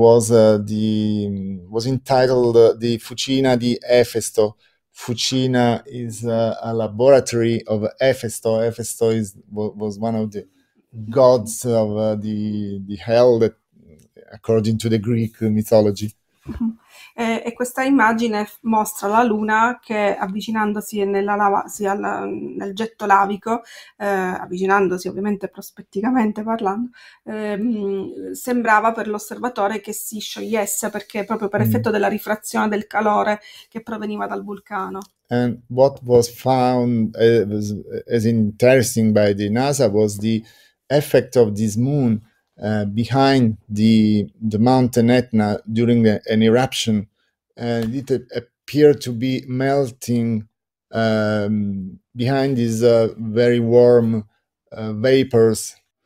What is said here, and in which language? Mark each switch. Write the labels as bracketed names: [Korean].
[English] Was entitled the Fucina di Efesto. Fucina is a laboratory of Efesto. Efesto was one of the gods of the hell, that, according to the Greek mythology. [Italian] E questa immagine mostra la luna che, avvicinandosi nella lava, nel getto lavico, avvicinandosi ovviamente prospetticamente parlando, sembrava per l'osservatore che si sciogliesse, perché proprio per effetto della rifrazione del calore che proveniva dal vulcano. [English] And what was found as interesting by the NASA was the effect of this moon behind the mountain Etna during an eruption. And it appeared to be melting behind these very warm vapors.